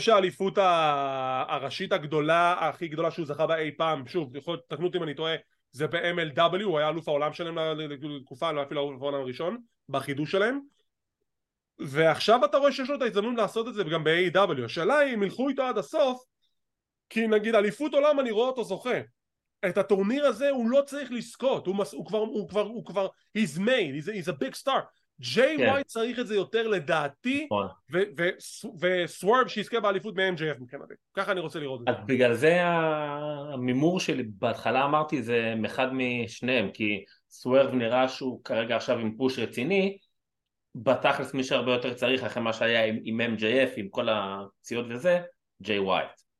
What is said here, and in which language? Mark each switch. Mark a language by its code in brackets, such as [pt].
[he] שהאליפות הראשית הגדולה הכי גדולה שהוא זכה באי פעם שוב, תקנו אותי אם אני טועה זה ב-MLW, הוא היה אלוף העולם שלהם לתקופה, לא אפילו אלוף העולם הראשון בחידוש שלהם ועכשיו אתה רואה שיש לו את ההזדמנות לעשות את זה גם ב-AEW. השאלה היא, אם הלכו איתו עד הסוף, כי נגיד, אליפות עולם אני רואה אותו זוכה. את הטורניר הזה הוא לא צריך לזכות. הוא כבר, [en] he's made, he's a big star. [he] ג'יי ווייט צריך את זה יותר לדעתי, וסוורב שיזכה באליפות מ-MJF מכנדי. ככה אני רוצה לראות את זה. אז בגלל זה המימור שלי, בהתחלה אמרתי, זה אחד משניהם, כי סוורב נראה שהוא כרגע עכשיו עם פוש רציני, בתכלס מי שהרבה יותר צריך אחרי מה שהיה עם MJF, עם כל הציוד וזה, ג'יי ווייט.